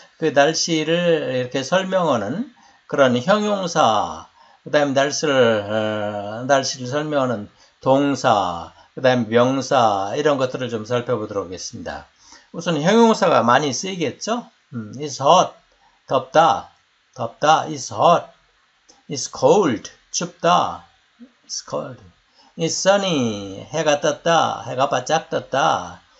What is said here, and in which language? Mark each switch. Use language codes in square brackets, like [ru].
[ko] 그 날씨를 이렇게 설명하는 그런 형용사, 그다음에 날씨를 설명하는 동사, 그다음에 명사 이런 것들을 좀 살펴보도록 하겠습니다. 우선 형용사가 많이 쓰이겠죠. [en] It's hot, [ko] 덥다, 덥다. [en] It's hot, it's cold, [ko] 춥다, [en] it's cold. It's sunny, [ko] 해가 떴다, 해가 바짝 떴다.